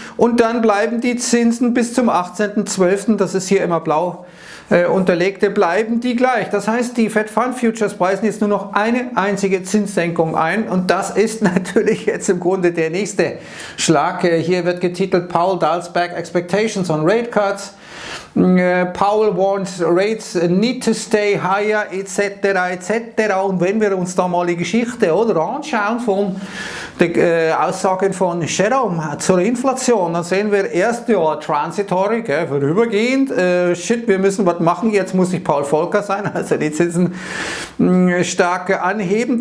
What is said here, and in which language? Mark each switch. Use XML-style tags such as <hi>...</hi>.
<de>Und dann bleiben die Zinsen bis zum 18.12., das ist hier immer blau unterlegte, bleiben die gleich. Das heißt, die Fed Fund Futures preisen jetzt nur noch eine einzige Zinssenkung ein. Und das ist natürlich jetzt im Grunde der nächste Schlag. Hier wird getitelt</de> <en>Powell dials back expectations on rate cuts. Powell warns rates need to stay higher, etc. etc.</en> <de>Und wenn wir uns da mal die Geschichte oder anschauen von den Aussagen von Jerome zur Inflation, dann sehen wir erst, ja, transitory, gell, vorübergehend, wir müssen was machen, jetzt muss ich Paul Volcker sein, also die Zinsen stark anheben.</de>